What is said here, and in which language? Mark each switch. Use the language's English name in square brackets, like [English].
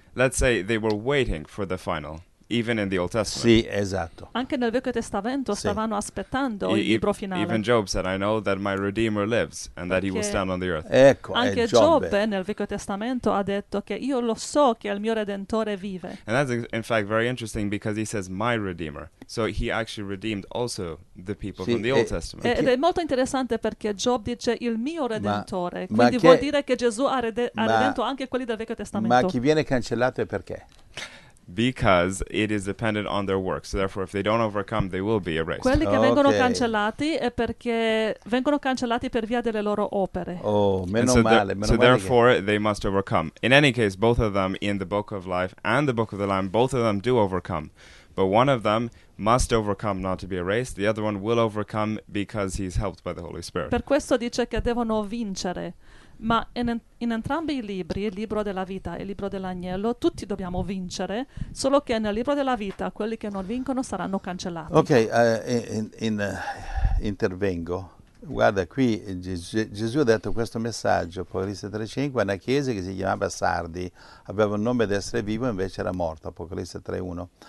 [English] Let's say they were waiting for the final, even in the Old Testament. [Italian] Sì, esatto. Anche nel Vecchio Testamento sì. Stavano aspettando il libro finale. [English] Even Job said, I know that my Redeemer lives and that he will stand on the earth. [Italian] Ecco, anche Giobbe nel Vecchio Testamento ha detto che io lo so che il mio Redentore vive. [English] And that's in fact very interesting because he says my Redeemer. So he actually redeemed also the people [Italian] sì, [English] from the Old Testament. [Italian] Ed è molto interessante perché Job dice il mio Redentore. Quindi vuol dire che Gesù ha redento anche quelli del Vecchio Testamento. Ma chi viene cancellato e perché? Because it is dependent on their works. So therefore, if they don't overcome, they will be erased. Quelli che vengono cancellati è perché vengono cancellati per via delle loro opere. Oh, meno [English] so [Italian] male, meno [English] so [Italian] male. [English] So therefore, they must overcome. In any case, both of them in the Book of Life and the Book of the Lamb, both of them do overcome. But one of them must overcome not to be erased. The other one will overcome because he's helped by the Holy Spirit. [Italian] Per questo dice che devono vincere. Ma in entrambi i libri, il libro della vita e il libro dell'agnello, tutti dobbiamo vincere, solo che nel libro della vita quelli che non vincono saranno cancellati. Ok, intervengo. Guarda, qui Gesù ha detto questo messaggio, Apocalisse 3.5, a una chiesa che si chiamava Sardi, aveva il nome di essere vivo, invece era morto, Apocalisse 3.1.